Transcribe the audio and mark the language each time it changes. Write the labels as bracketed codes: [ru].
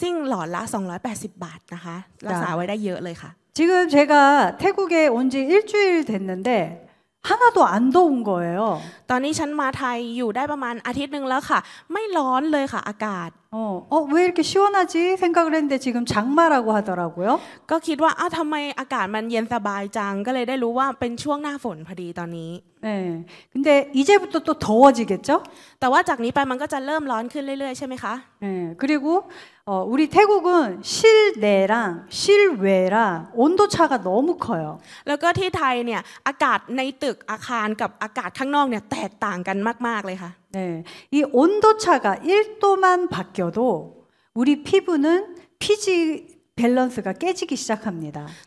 [th] 그와ทุกคนเนี่ยสามารถรักษาลูกค้าหรือว่าผู้บริโภคของเราได้ด้วยโฟมคลีนซิ่งหลอดละ280บาทนะคะรักษาไว้ได้เยอะเลยค่ะ [ko] 지금 제가 태국에 온지 일주일 됐는데 하나도 안 더운 거예요. [th] ตอนนี้ฉันมาไทยอยู่ได้ประมาณอาทิตย์นึงแล้วค่ะไม่ร้อนเลยค่ะอากาศ [ko] 왜 이렇게 시원하지 생각을 했는데 지금 장마라고 하더라고요. [th] ก็คิดว่าทำไมอากาศมันเย็นสบายจังก็เลยได้รู้ว่าเป็นช่วงหน้าฝนพอดีตอนนี้ [ko] 네. 근데 이제부터 또 더워지겠죠? [th] แต่ว่าจากนี้ไปมันก็จะเริ่มร้อนขึ้นเรื่อยๆใช่ไหมคะ [ko] 네. 그리고 우리 태국은 실내랑 실외랑 온도 차가 너무 커요. [th] แล้วก็ที่ไทยเนี่ยอากาศในตึกอาคารกับอากาศข้างนอกเนี่ยแตกต่างกันมากๆเลยค่ะ [ko] 네. 이 온도 차가 1도만 바뀌어도 우리 피부는 피지 밸런스가 깨지기 시작합니다.